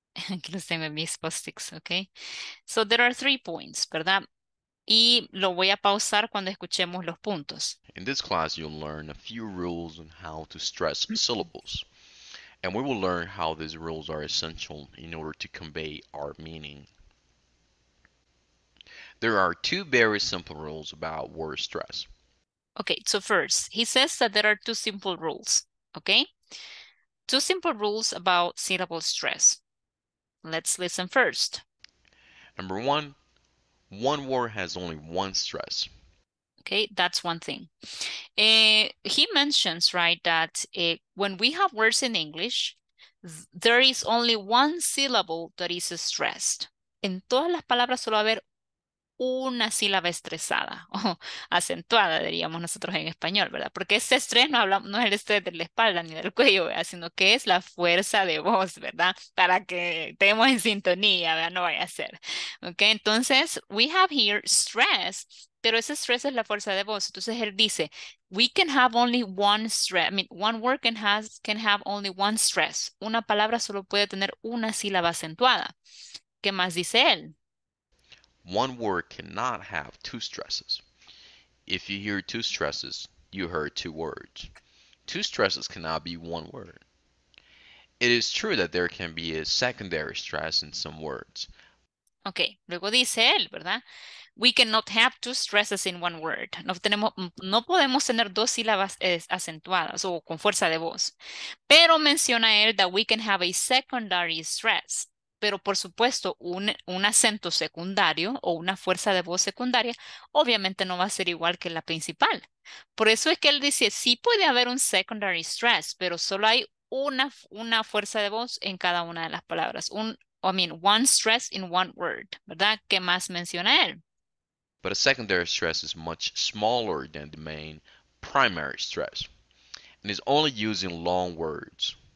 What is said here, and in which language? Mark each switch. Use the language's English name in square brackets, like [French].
[Spanish] Aquí los tengo en mis post-its, [English] ok. So there are three points, [Spanish] ¿verdad? Y lo voy a pausar cuando escuchemos los puntos. [English] In this class, you'll learn a few rules on how to stress syllables. And we will learn how these rules are essential in order to convey our meaning. There are two very simple rules about word stress. Okay, so first, he says that there are two simple rules, ok. Two simple rules about syllable stress. Let's listen first. Number one, one word has only one stress. Okay, that's one thing. He mentions, right, that when we have words in English, there is only one syllable that is stressed. [Spanish] En todas las palabras solo va a haber una sílaba estresada, o acentuada, diríamos nosotros en español, ¿verdad? Porque ese estrés no hablamos, no es el estrés de la espalda ni del cuello, ¿verdad? Sino que es la fuerza de voz, ¿verdad? Para que estemos en sintonía, ¿verdad? No vaya a ser. [English] Okay, entonces, we have here stress, [Spanish] pero ese stress es la fuerza de voz. Entonces él dice, [English] we can have only one stress. I mean, one word can have only one stress. [Spanish] Una palabra solo puede tener una sílaba acentuada. ¿Qué más dice él? [English] One word cannot have two stresses. If you hear two stresses, you heard two words. Two stresses cannot be one word. It is true that there can be a secondary stress in some words. [Spanish] Okay, luego dice él, ¿verdad? [English] We cannot have two stresses in one word. [Spanish] No podemos tener dos sílabas acentuadas o con fuerza de voz. Pero menciona él [English] that we can have a secondary stress. [Spanish] Pero por supuesto, un acento secundario o una fuerza de voz secundaria obviamente no va a ser igual que la principal. Por eso es que él dice, sí puede haber un secondary stress, pero solo hay una fuerza de voz en cada una de las palabras. [English] One stress in one word, [Spanish] ¿verdad? ¿Qué más menciona él? [English] But a secondary stress is much smaller than the main primary stress and is only used in long words.